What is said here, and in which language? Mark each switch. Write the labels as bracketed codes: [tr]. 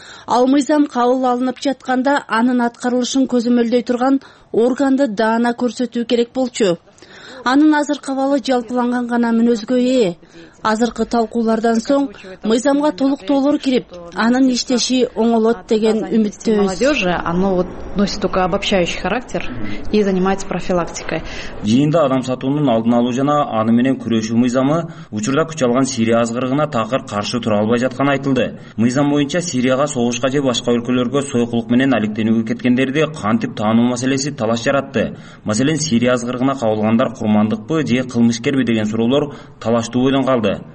[ky] Ал мыйзам кабыл алынып жатканда анын аткарылышын көзөмөлдөй турган органды даана көрсөтүү керек болчу. Анын азыркы абалы жалпыланган гана мүнөзгө ээ. Азыркы талкуулардан соң мыйзамга толуктоолор кирип, анын иштеши оңолот деген үмүттөбүз. [ru] Молодежи оно вот носит только обобщающий характер и занимается профилактикой. [ky] Жыйында адам сатуунун алдын алуу жана аны менен күрөшүү мыйзамы учурда күч алган Сирия азгырыгына такыр каршы тура албай жатканы айтылды. Мыйзам боюнча Сирияга согушка же башка өлкөлөргө сойкулук менен алектенүүгө кеткендерди кантип таануу маселеси талаш жаратты. Маселен, Сирия азгырыгына кабылгандар курмандыкпы же кылмышкерби деген суроолор талаштуу бойдон калды.